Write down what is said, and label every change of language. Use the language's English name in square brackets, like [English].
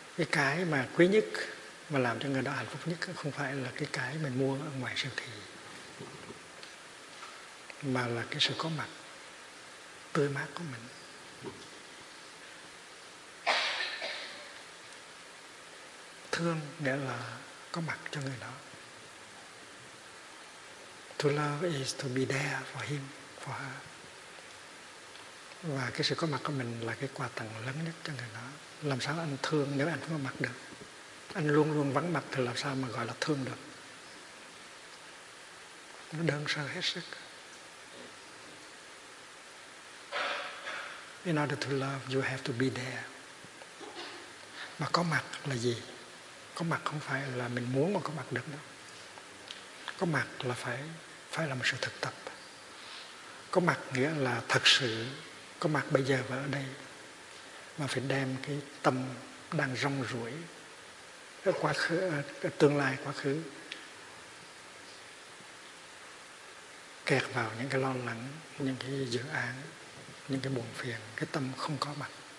[Vietnamese] Cái mà quý nhất mà làm cho người đó hạnh phúc nhất không phải là cái mình mua ở ngoài siêu thị, mà là cái sự có mặt tươi mát của mình. Thương nghĩa là có mặt cho người đó. [English] To love is to be there for him, for her. [Vietnamese] Và cái sự có mặt của mình là cái quà tặng lớn nhất cho người đó. Làm sao anh thương nếu anh không có mặt được? Anh luôn luôn vắng mặt thì làm sao mà gọi là thương được? Nó đơn sơ hết sức. [English] In order to love, you have to be there. [Vietnamese] Mà có mặt là gì? Có mặt không phải là mình muốn mà có mặt được đâu. Có mặt là phải là một sự thực tập. Có mặt nghĩa là thật sự có mặt bây giờ và ở đây, mà phải đem cái tâm đang rong ruổi ở quá khứ, ở tương lai quá khứ, kẹt vào những cái lo lắng, những cái dự án, những cái buồn phiền, cái tâm không có mặt.